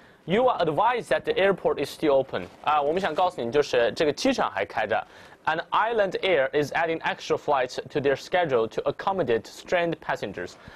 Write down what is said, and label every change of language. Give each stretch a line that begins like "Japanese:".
English: You are advised that the airport is still open.
Chinese: 啊，我们想告诉你，就是这个机场还开着。
English: And Island Air is adding extra flights to their schedule to accommodate stranded passengers.